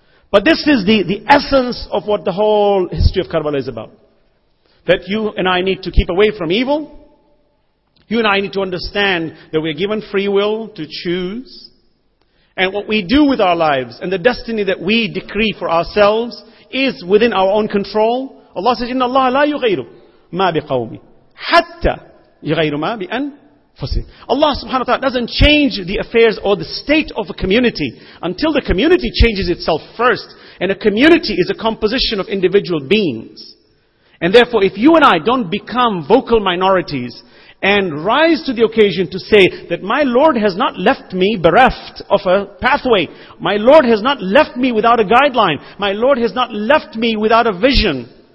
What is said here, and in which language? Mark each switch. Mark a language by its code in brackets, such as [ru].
[en] But this is the essence of what the whole history of Karbala is about. That you and I need to keep away from evil. You and I need to understand that we are given free will to choose. And what we do with our lives and the destiny that we decree for ourselves is within our own control. [ar] Allah says, إِنَّ اللَّهَ لَا يُغَيْرُ مَا بِقَوْمِ حَتَّى يغير ما بأنفسه. [en] Allah subhanahu wa ta'ala doesn't change the affairs or the state of a community until the community changes itself first. And a community is a composition of individual beings. And therefore, if you and I don't become vocal minorities and rise to the occasion to say that my Lord has not left me bereft of a pathway, my Lord has not left me without a guideline, my Lord has not left me without a vision.